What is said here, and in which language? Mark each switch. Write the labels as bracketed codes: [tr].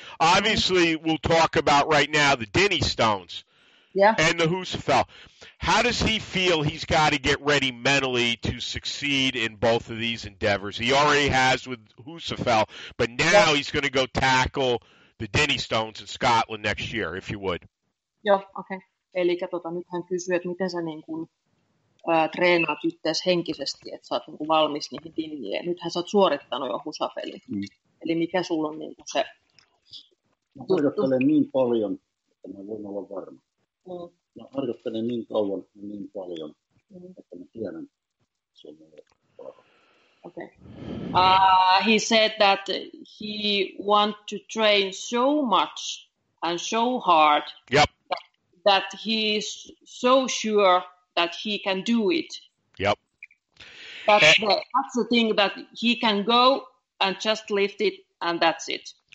[en] Obviously, we'll talk about right now the Denny Stones and the Husafell. How does he feel he's got to get ready mentally to succeed in both of these endeavors? He already has with Husafell, but now he's going to go tackle the Denny Stones in Scotland next year, if you would. Joo, okei. Okay. [fi] Eli nyt hän kysyy, että miten sä niin kun, treenaat itseäsi henkisesti, että sä oot niin kun valmis niihin dinjiin. Nythän sä oot suorittanut jo Husafellin. Eli mikä sulla on niin kun se? Mä harjoittelen niin paljon, että mä voin olla varma. Mä harjoittelen niin kauan ja niin paljon, että mä tiedän, Okay. [en] He said that he want to train so much and so hard. Yep. That he's so sure that he can do it. Yep. That's the thing, that he can go and just lift it and that's it.